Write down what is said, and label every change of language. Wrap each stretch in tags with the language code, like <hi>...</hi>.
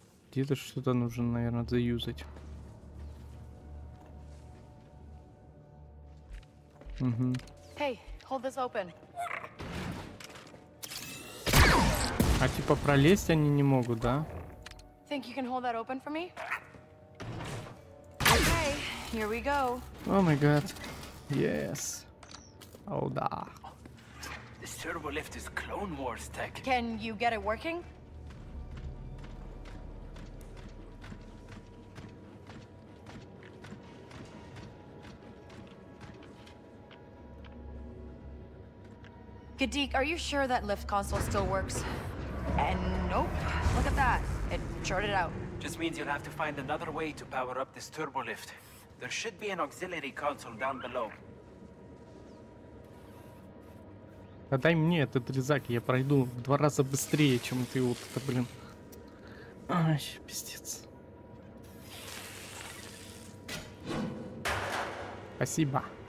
<ru>Где-то что-то нужно, наверное, заюзать. Угу.</ru> <en>Hey, hold this open.</en> <ru>А типа пролезть они не могут, да?</ru> <en>Think you can hold that open for me? Okay, here we go. Oh my god. Yes. Oh да. This turbo lift is Clone Wars tech. Can you get it working? Gadeek, are you sure that lift console still works? And nope. Look at that. It shorted out. Just means you'll have to find another way to power up this turbo lift. There should be an auxiliary console down below.</en> <ru>Отдай мне этот резак, я пройду в два раза быстрее, чем ты вот это, блин. Ай, пиздец. Спасибо.</ru>